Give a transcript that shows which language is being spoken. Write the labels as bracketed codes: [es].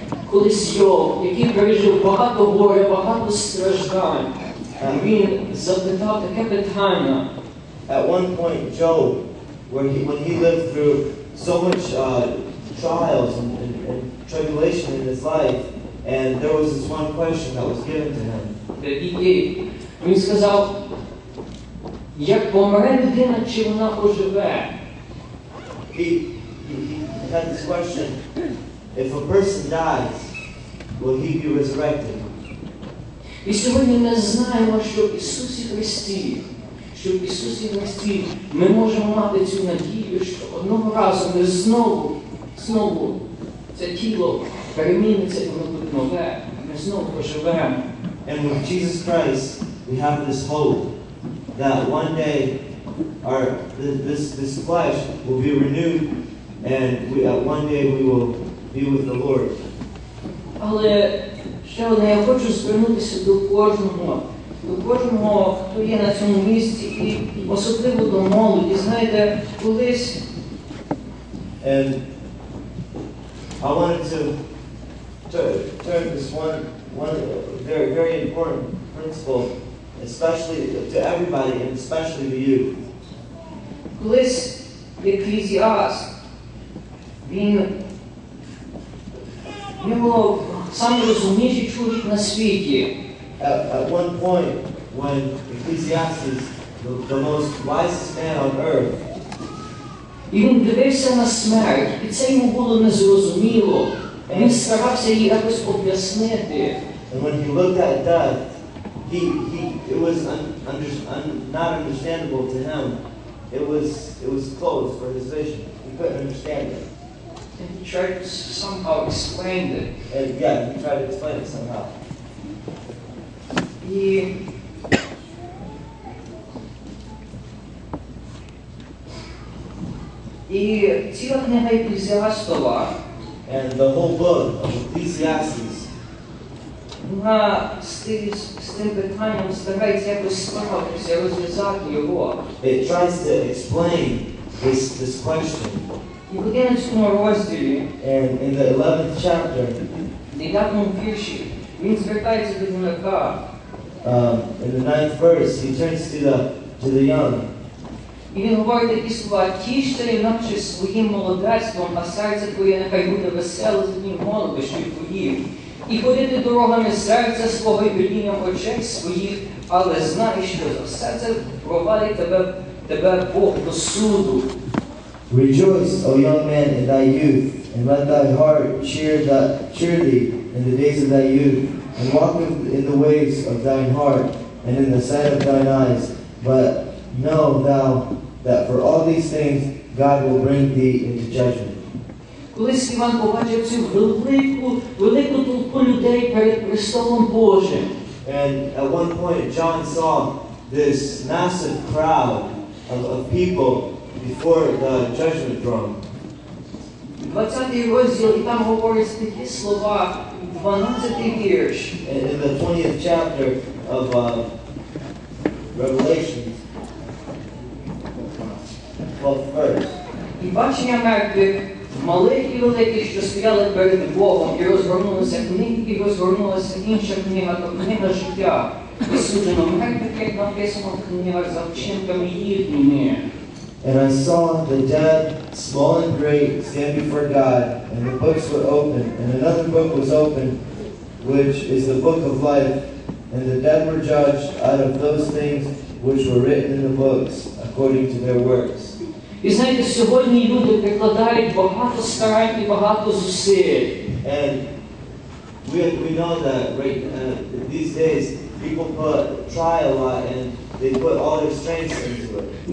[uk] Колись Йов, який пережив багато горя, багато страждань, він запитав таке питання. [en] At one point, Job, when he lived through so much trials and tribulation in his life, and there was this one question that was given to him. [uk] Він сказав, як помре людина, чи вона оживе? [en] He had this question, if a person dies, will he be resurrected? [uk] І сьогодні ми знаємо, що в Ісусі Христі, що в Ісусі Христі ми можемо мати цю надію, що одного разу ми знову це тіло переміниться і воно буде нове, ми знову поживемо. [en] And with Jesus Christ, we have this hope that one day this flesh will be renewed and one day we will be with the Lord. [uk] Але ще одне, я хочу звернутися до кожного, хто є на цьому місці, і особливо до молоді. Знаєте, колись... [en] And I wanted to turn this one very, very important principle, especially to everybody, and especially to you. [uk] Колись Екклезіаст, він був найрозумніший чоловік на світі. [en] At one point, when Ecclesiastes, the most wisest man on earth, [uk] він дивився на смерть, і це йому було незрозуміло. Він старався її якось об'яснити. [en] And when he looked at death, it was not understandable to him. It was closed for his vision. He couldn't understand it. And he tried to somehow explain it. And yeah, he tried to explain it somehow. [uk] І ціла книга Екклезіастова. [en] And the whole book of Ecclesiastes. [uk] Вона з тим питанням старається якось справитися, розв'язати його. [en] It tries to explain this question. [uk] І в 11 розділі. [en] And in the 11th chapter. [uk] В 9 вірші. Він звертається до юнака. [en] In the 9th verse, he turns to the young. [uk] І він говорить такі слова, тіште інакше своїм молодецтвом, а серце твоє нехай буде веселе з днів молодощів твоїх. І ходити дорогами серця свого і велінням очей своїх, але знай, що за все це провадить тебе Бог до суду. [en] Rejoice, O young man, in thy youth, and let thy heart cheer thee in the days of thy youth, and walk in the ways of thine heart, and in the sight of thine eyes, but know thou that for all these things God will bring thee into judgment. [uk] Колись Іван побачив цю велику толпу людей перед престолом Божим. [en] And at one point John saw this massive crowd of people before the judgment throne. [uk] 20 розділ, і там говорять такі слова, 12 вірш. [en] In the 20th chapter of Revelation, [uk] і бачення мертвих, малих і великих, що стояли перед Богом, і розгорнулися книги, і розгорнулася інша книга, то книга життя. І суджено мертвих, як написано в книгах, за вчинками їхніми. [en] And I saw the dead, small and great, stand before God, and the books were opened, and another book was opened, which is the book of life, and the dead were judged out of those things which were written in the books, according to their works. [uk] І знаєте, сьогодні люди прикладають багато старань і багато зусиль. [en] And we know that right these days people try a lot and they put all their strengths into it.